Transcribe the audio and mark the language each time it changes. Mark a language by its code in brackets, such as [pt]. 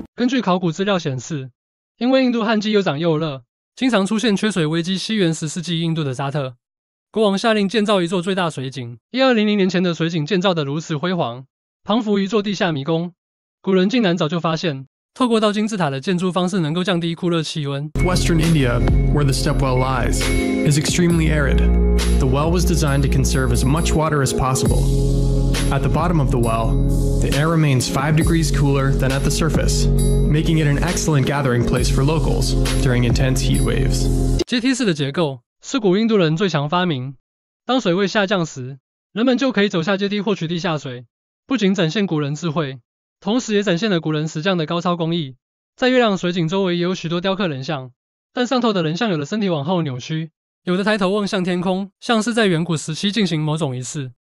[zh] 根据考古资料显示，因为印度旱季又长又热，经常出现缺水危机。西元十世纪，印度的沙特国王下令建造一座最大水井。 1200年前的水井建造得如此辉煌，彷佛一座地下迷宫。古人竟然早就发现，透过倒金字塔的建筑方式能够降低酷热气温。 [en] Western India, where the stepwell lies, is extremely arid. The well was designed to conserve as much water as possible. At the bottom of the well, the air remains 5 degrees cooler than at the surface, making it an excellent gathering place for locals during intense heat waves. [zh] 阶梯式的结构是古印度人最强发明。当水位下降时，人们就可以走下阶梯获取地下水，不仅展现古人智慧，同时也展现了古人石匠的高超工艺。在月亮水井周围也有许多雕刻人像，但上头的人像有的身体往后扭曲，有的抬头望向天空，像是在远古时期进行某种仪式。